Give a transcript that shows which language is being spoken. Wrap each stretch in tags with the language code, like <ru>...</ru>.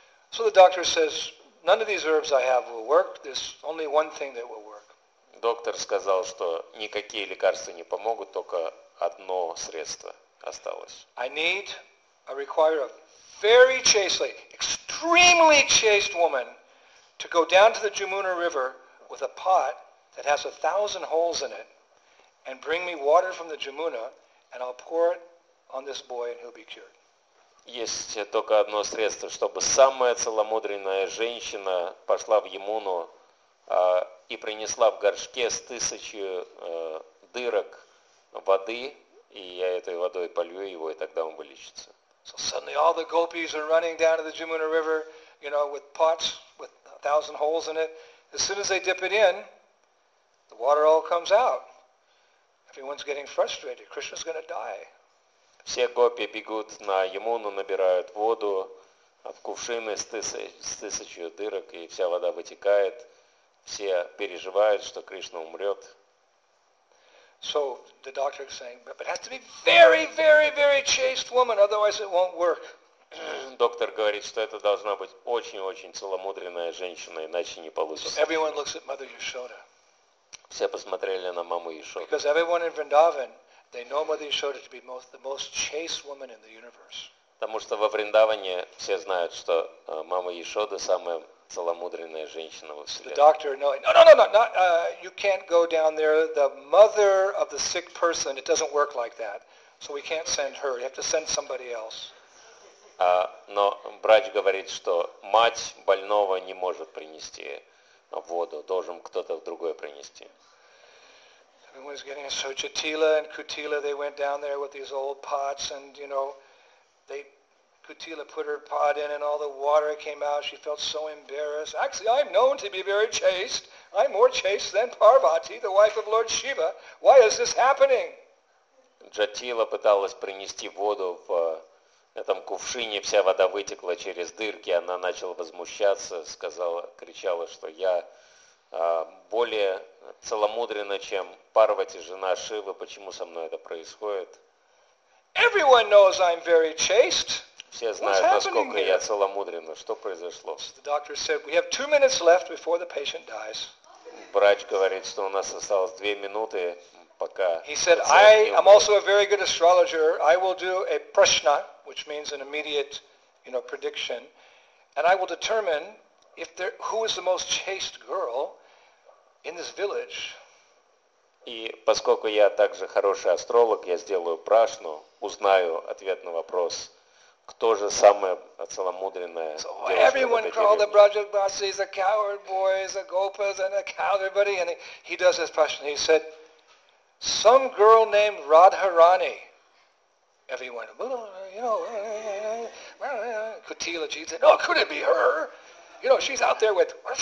<en>So the doctor says, none of these herbs I have will work. There's only one thing that will work.</en> <ru>Доктор сказал, что никакие лекарства не помогут, только одно средство осталось.</ru> <en>I require a very chaste lady, extremely chaste woman, to go down to the Jamuna River with a pot that has 1,000 holes in it, and bring me water from the Jamuna, and I'll pour it on this boy, and he'll be cured.</en> <ru>Есть только одно средство, чтобы самая целомудренная женщина пошла в Ямуну, и принесла в горшке с тысячей дырок воды, и я этой водой полью его, и тогда он вылечится.</ru> <en>So suddenly all the gopis are running down to the Jamuna River, you know, with pots with 1,000 holes in it. As soon as they dip it in, the water all comes out. Everyone's getting frustrated. Krishna's going to die.</en> <ru>Все гопи бегут на Ямуну, набирают воду в кувшины с тысячей дырок, и вся вода вытекает. Все переживают, что Кришна умрет.</ru> <en>So the doctor is saying, but it has to be very, very, very chaste woman, otherwise it won't work.</en> <ru>Доктор говорит, что это должна быть очень-очень целомудренная женщина, иначе не получится.</ru> <en>So everyone looks at Mother Yashoda.</en> <ru>Все посмотрели на маму Яшоду.</ru> <en>Because everyone in Vrindavan, they know Mother Yashoda to be the most chaste woman in the universe.</en> <ru>Потому что во Вриндаване все знают, что мама Яшода самая целомудренная женщина во вселенной.</ru> <en>The doctor knowing, no, you can't go down there. The mother of the sick person, it doesn't work like that. So we can't send her. You have to send somebody else.</en> <ru>Но врач говорит, что мать больного не может принести воду должен кто-то в другое принести.</ru> <en>Everyone was getting Sochatila and Kutila. They went down there with these old pots, and you know, Kutila put her pot in, and all the water came out. She felt so embarrassed. Actually, I'm known to be very chaste. I'm more chaste than Parvati, the wife of Lord Shiva. Why is this happening?</en> <ru>Джатила пыталась принести воду в этом кувшине, вся вода вытекла через дырки. Она начала возмущаться, кричала, что я более целомудренна, чем Парвати, жена Шивы. Почему со мной это происходит?</ru> <en>Everyone knows I'm very chaste.</en> <ru>Все знают, насколько я целомудренна. Что произошло?</ru> <en>The doctor said we have 2 minutes left before the patient dies.</en> <ru>Врач говорит, что у нас осталось 2 минуты, пока.</ru> <en>He said, I am also a very good astrologer. I will do a prashna, which means an immediate, you know, prediction, and I will determine who is the most chaste girl in this village.</en> <ru>И поскольку я также хороший астролог, я сделаю прашну, узнаю ответ на вопрос, кто же самая целомудренная девушка.</ru> <en>So everyone called the Brajabasi, the coward boys, the gopas, and the cow, everybody, and he does this prashna. He said, some girl named Radharani. Everyone, Kutila Ji said, no, could it be her? You know, she's out there with...</en>